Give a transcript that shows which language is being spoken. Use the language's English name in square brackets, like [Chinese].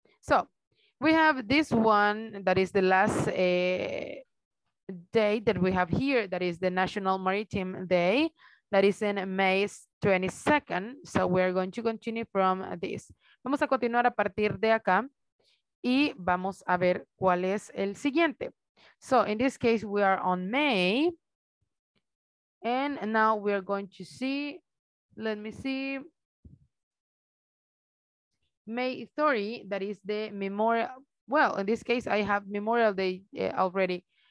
[English] So we have this one that is the last day that we have here, that is the National Maritime Day, that is in May 22nd. So we're going to continue from this. [Spanish] Vamos a continuar a partir de acá. Y vamos a ver cuál es el siguiente. [English] So, in this case, we are on May. And now we are going to see, let me see. May 30, that is the Memorial. Well, in this case, I have Memorial Day already.